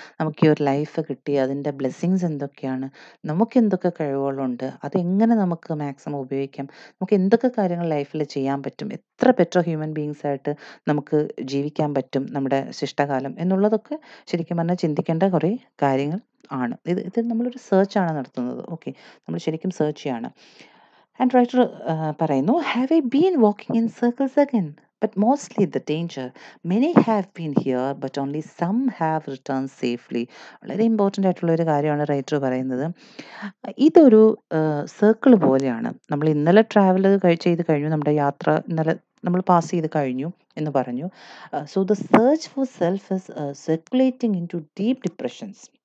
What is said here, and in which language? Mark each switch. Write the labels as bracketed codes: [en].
[ml] നമുക്ക് ഈ ഒരു ലൈഫ് കിട്ടി, അതിൻ്റെ ബ്ലെസ്സിങ്സ് എന്തൊക്കെയാണ്, നമുക്ക് എന്തൊക്കെ കഴിവുകളുണ്ട്, അതെങ്ങനെ നമുക്ക് മാക്സിമം ഉപയോഗിക്കാം, നമുക്ക് എന്തൊക്കെ കാര്യങ്ങൾ ലൈഫിൽ ചെയ്യാൻ പറ്റും, എത്ര ബെറ്റർ ഹ്യൂമൻ ബീങ്സ് ആയിട്ട് നമുക്ക് ജീവിക്കാൻ പറ്റും നമ്മുടെ ശിഷ്ടകാലം എന്നുള്ളതൊക്കെ ശരിക്കും പറഞ്ഞാൽ ചിന്തിക്കേണ്ട കുറേ കാര്യങ്ങൾ ആണ്. ഇത് നമ്മളൊരു സെർച്ചാണ് നടത്തുന്നത്. ഓക്കെ, നമ്മൾ ശരിക്കും സെർച്ച് ചെയ്യാണ്. [en] and [ml] റൈറ്റർ പറയുന്നു, [en] Have I been walking in circles again? But mostly the danger. Many have been here, but only some have returned safely. [ml] വളരെ ഇമ്പോർട്ടൻ്റ് ആയിട്ടുള്ള ഒരു കാര്യമാണ് റൈറ്റർ പറയുന്നത്. ഇതൊരു സർക്കിൾ പോലെയാണ്. നമ്മൾ ഇന്നലെ ട്രാവൽ ചെയ്ത് കഴിഞ്ഞു, നമ്മുടെ യാത്ര ഇന്നലെ നമ്മൾ പാസ് ചെയ്ത് കഴിഞ്ഞു എന്ന് പറഞ്ഞു. [en] So the search for self is circulating into deep depressions.